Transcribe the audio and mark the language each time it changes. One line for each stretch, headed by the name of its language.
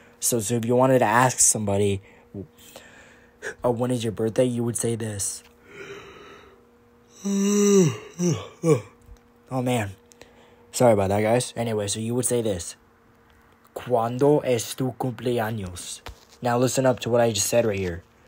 English: So if you wanted to ask somebody, oh, when is your birthday? You would say this. Oh, man. Sorry about that, guys. Anyway, so you would say this.
Spanish: ¿Cuándo es tu cumpleaños?
English: Now listen up to what I just said right here.